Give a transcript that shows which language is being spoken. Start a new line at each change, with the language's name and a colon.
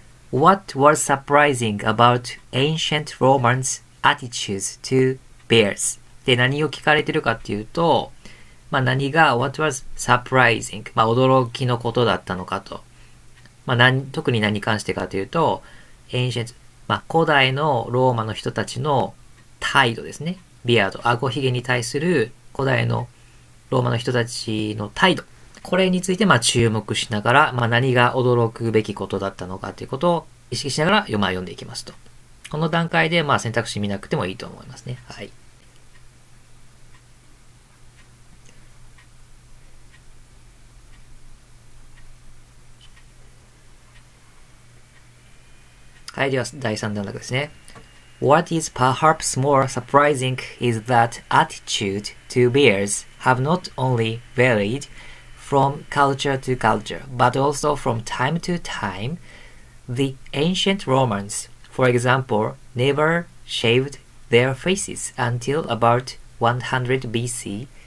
English: What was surprising about ancient Romans' attitudes to bears?
Japanese: で、何を聞かれてるかっていうと、まあ、何が
English: What was surprising?
Japanese: まあ、驚きのことだったのかと、まあ、特に何に関してかというと ancient、まあ、古代のローマの人たちの態度ですね。ビアード、顎ひげに対する古代のローマの人たちの態度、これについてまあ注目しながら、まあ、何が驚くべきことだったのかということを意識しながら読んでいきますと、この段階でまあ選択肢見なくてもいいと思いますね。はい。はい、では第3段落ですね。
English: What is perhaps more surprising is that attitude to bears have not only varied from culture to culture, but also from time to time. The ancient Romans, for example, never shaved their faces until about 100 BC.